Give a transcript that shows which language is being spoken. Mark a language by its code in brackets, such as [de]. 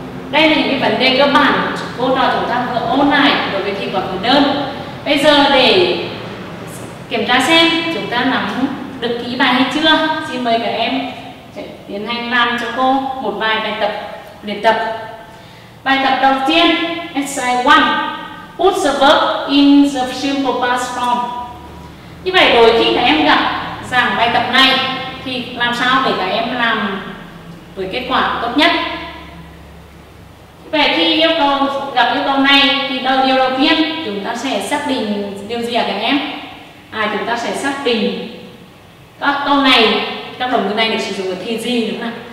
[vi] Đây là những cái vấn đề cơ bản cô trò chúng ta vừa ôn lại đối với thi quả khứ đơn. Bây giờ để kiểm tra xem chúng ta nắm được kỹ bài hay chưa, xin mời các em tiến hành làm cho cô một vài bài tập luyện tập. Bài tập đầu tiên, exercise 1. [en] Put the verb in the simple past form. [vi] Như vậy đôi khi các em gặp giảng bài tập này thì làm sao để các em làm với kết quả tốt nhất? Vậy khi yêu cầu gặp yêu cầu này thì điều đầu tiên chúng ta sẽ xác định điều gì ạ các em? À, chúng ta sẽ xác định các câu này, các động từ này được sử dụng ở thì gì đúng không?